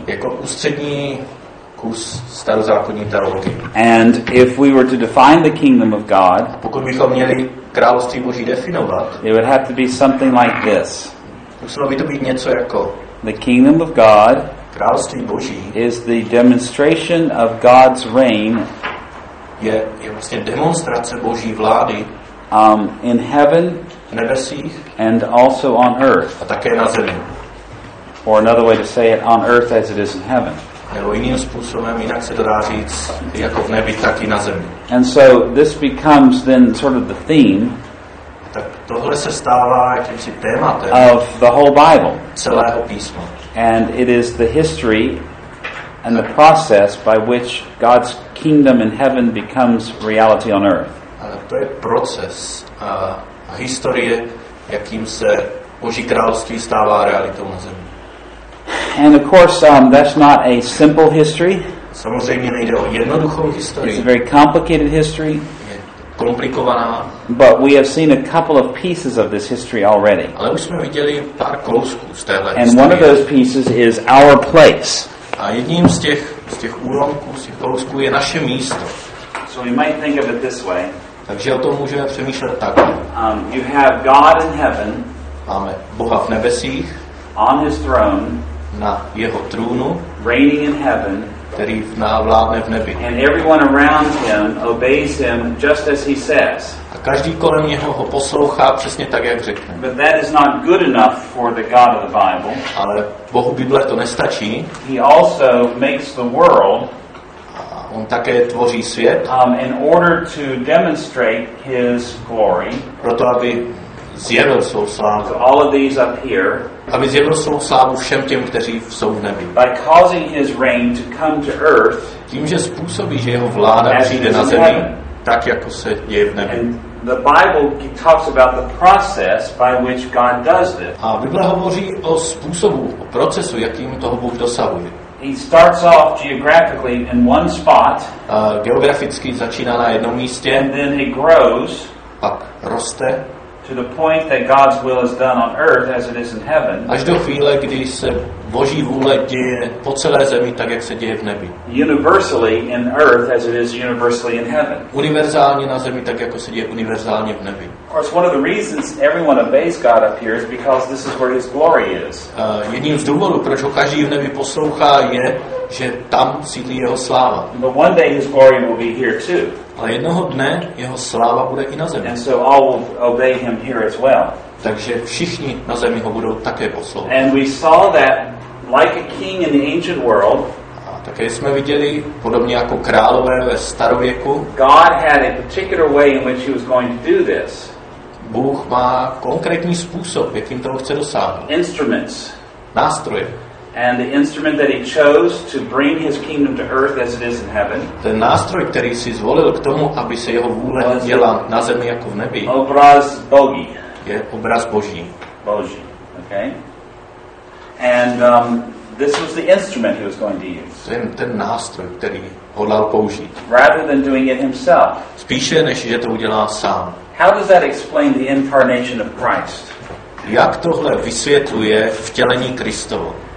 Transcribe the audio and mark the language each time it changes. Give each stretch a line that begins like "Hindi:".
Czech: Jako ústřední kus starozákonní teologie.
English: And if we were to define the kingdom of God,
Czech: pokud bychom měli království Boží definovat,
English: it would have to be something like this.
Czech: Muselo by to být něco jako
English: the kingdom of God
Czech: království Boží
English: is the demonstration of God's reign
Czech: je vlastně demonstrace Boží vlády
English: in heaven
Czech: nebesích,
English: and also on earth.
Czech: A také na zemi.
English: Or another way to say it, on earth as it is in heaven.
Czech: Nebo jiným způsobem, jinak se to dá říct, jako v nebi, tak i na zemi.
English: And so this becomes then sort of the theme
Czech: tak tohle se stává jakýmsi tématem
English: of the whole Bible.
Czech: Celého písma.
English: And it is the history and the process by which God's kingdom in heaven becomes reality on earth.
Czech: To je proces a historie, jakým se Boží království stává realitou na zemi.
English: And of course, that's not a simple history.
Czech: Samozřejmě nejde o jednoduchou historii.
English: It's a very complicated history.
Czech: Je komplikovaná.
English: But we have seen a couple of pieces of this history already.
Czech: Ale už jsme viděli pár kousků z téhle historie.
English: And one of those pieces is our place.
Czech: A jedním z těch úlomků, z těch kousků je naše místo.
English: So we might think of it this way.
Czech: Takže o tom můžeme přemýšlet tak.
English: You have God in heaven.
Czech: Máme Boha v nebesích.
English: On his throne.
Czech: Na jeho trůnu.
English: Reigning in heaven.
Czech: Který vládne v nebi.
English: And everyone around him obeys him just as he says.
Czech: A každý kolem něho ho poslouchá přesně tak, jak řekne.
English: But that is not good enough for the God of the Bible.
Czech: Ale Bohu Bible to nestačí.
English: He also makes the world.
Czech: On také tvoří svět.
English: In order to demonstrate his glory.
Czech: Proto, aby zjevil svou slávu.
English: To all of these up here.
Czech: Aby zjevil svou slávu všem těm, kteří jsou v nebi.
English: By causing his reign to come to earth.
Czech: Tím, že způsobí, že jeho vláda přijde na zemi, tak jako se děje v nebi.
English: And the Bible talks about the process by which God does this.
Czech: A Bible hovoří o způsobu, o procesu, jakým toho Bůh dosahuje.
English: He starts off geographically in one spot.
Czech: Geograficky začíná na jednom místě.
English: And then he grows.
Czech: Pak roste.
English: To the point that God's will is done on earth as it is in heaven.
Czech: Až do chvíle, kdy se Boží vůle děje po celé zemi, tak jak se děje v nebi.
English: Universally in earth as it is universally in heaven.
Czech: Univerzálně na zemi, tak jako se děje univerzálně v nebi.
English: Of course, one of the reasons everyone obeys God up here is because this is where his glory is.
Czech: Jedním z důvodů, proč ho každý v nebi poslouchá, je, že tam sídlí jeho sláva.
English: But one day his glory will be here too.
Czech: Ale jednoho dne jeho sláva bude i na zemi.
English: And so all will obey him here as well.
Czech: Takže všichni na zemi ho budou také poslouchat.
English: And we saw that like a king in the ancient world.
Czech: A také jsme viděli podobně jako králové ve starověku.
English: God had a particular way in which he was going to do this.
Czech: Bůh má konkrétní způsob, jakým toho chce dosáhnout.
English: Instruments.
Czech: Nástroje.
English: And the instrument that he chose to bring his kingdom to earth as it is in heaven.
Czech: Ten nástroj, který si zvolil k tomu, aby se jeho vůle děla na zemi jako v nebi. Obraz Boží. Je obraz Boží. Boží. Okay.
English: And this was the instrument he was going to use.
Czech: Ten nástroj, který hodlal použít.
English: Rather than doing it himself.
Czech: Spíše než že to udělá sám.
English: How does that explain the incarnation of Christ?
Czech: Jak tohle vysvětluje vtělení Kristovo?